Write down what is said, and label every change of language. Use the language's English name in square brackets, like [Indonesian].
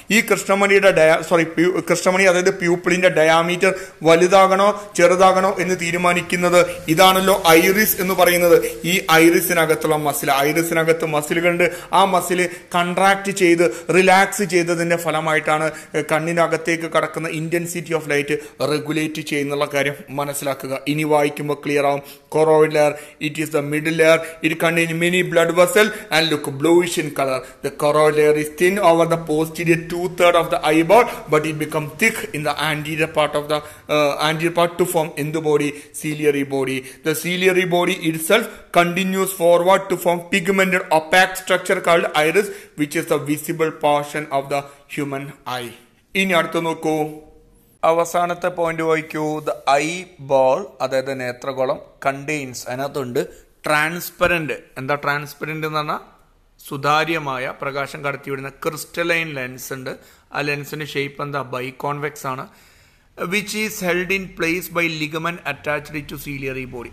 [Malayalam] ഈ കൃഷ്ണമണിയുടെ കൃഷ്ണമണി അതായത് പ്യൂപ്പിളിൻ്റെ ഡയാമീറ്റർ വലുതാകണോ ചെറുതാകണോ എന്ന് തീരുമാനിക്കുന്നത് ഇതാണല്ലോ ഐറിസ് എന്ന് പറയുന്നത്. ഈ ഐറിസിനകത്തുള്ള മസിൽ, ഐറിസിനകത്ത് മസിലുകളുണ്ട്. ആ മസിൽ കൺട്രാക്ട് ചെയ്ത് റിലാക്സ് ചെയ്തതിൻ്റെ ഫലമായിട്ടാണ് കണ്ണിനകത്തേക്ക് കടക്കുന്ന ഇൻറ്റൻസിറ്റി ഓഫ് ലൈറ്റ് റെഗുലേറ്റ് ചെയ്യുന്നുള്ള കാര്യം മനസ്സിലാക്കുക. ഇനി വായിക്കുമ്പോൾ ക്ലിയർ ആവും. Choroid layer, [English] It is the middle layer. It contains many blood vessels and look bluish in color. The choroid layer is thin over the posterior 2/3 of the eyeball, but it becomes thick in the anterior part of the anterior part to form in the body ciliary body. The ciliary body itself continues forward to form pigmented opaque structure called iris, which is the visible portion of the human eye. [Malayalam] In Arthanoko, അവസാനത്തെ point വായിക്കൂ. The I ball അതായത് നേത്രഗോളം contains അതിനകത്തുണ്ട് transparent. എന്താ transparent എന്ന് പറഞ്ഞാൽ സുതാര്യമായ പ്രകാശം കടത്തിവിടുന്ന crystalline lens ഉണ്ട്. ആ ലെൻസിൻ്റെ ഷേപ്പ് എന്താ ബൈകോൺവെക്സ് ആണ്. [English] Which is held in place by ligament attached to ciliary body.